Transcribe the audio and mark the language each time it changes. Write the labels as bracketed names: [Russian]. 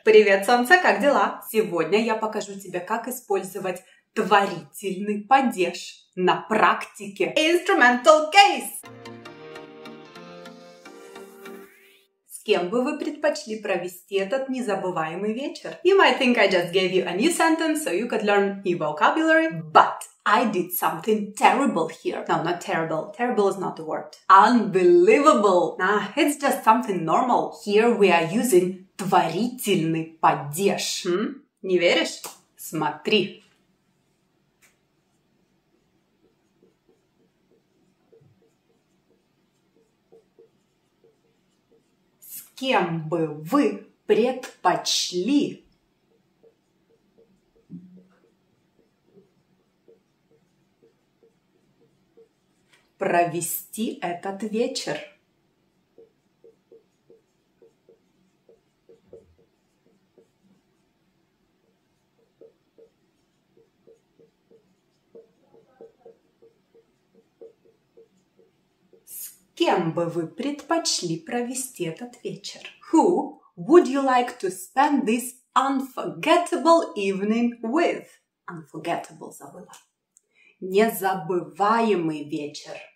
[Russian] Привет, солнце, как дела? Сегодня я покажу тебе, как использовать творительный падеж на практике. [English] Instrumental case! [Russian] Кем бы вы предпочли провести этот незабываемый вечер? [English] You might think I just gave you a new sentence so you could learn new vocabulary, but I did something terrible here. No, not terrible. Terrible is not the word. Unbelievable. Nah, it's just something normal. Here we are using творительный падеж. [Russian] Не веришь? Смотри. Кем бы вы предпочли провести этот вечер? Кем бы вы предпочли провести этот вечер? [English] Who would you like to spend this unforgettable evening with? [Russian] Unforgettable, забыла. Незабываемый вечер.